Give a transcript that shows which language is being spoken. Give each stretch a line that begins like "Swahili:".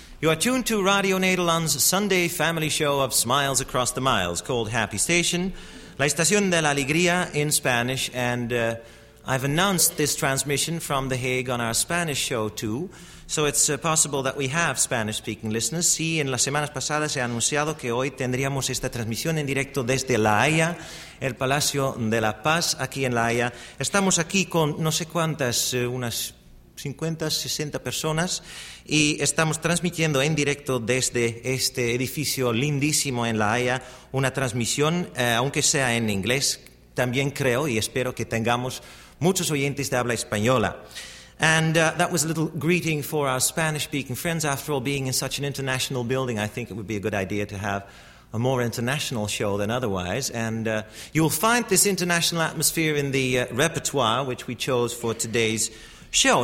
English: You are tuned to Radio Nederland's Sunday family show of Smiles Across the Miles called Happy Station,
Spanish: La Estación de la Alegría
English: in Spanish, and I've announced this transmission from The Hague on our Spanish show, too, so it's possible that we have Spanish-speaking listeners.
Spanish: Sí, en las semanas pasadas he anunciado que hoy tendríamos esta transmisión en directo desde La Haya, el Palacio de la Paz, aquí en La Haya. Estamos aquí con no sé cuántas, unas 50, 60 personas, y estamos transmitiendo en directo desde este edificio lindísimo en La Haya una transmisión, aunque sea en inglés. También creo y espero que tengamos muchos oyentes de habla española.
English: And that was a little greeting for our Spanish-speaking friends. After all, being in such an international building, I think it would be a good idea to have a more international show than otherwise. And you'll find this international atmosphere in the repertoire which we chose for today's show.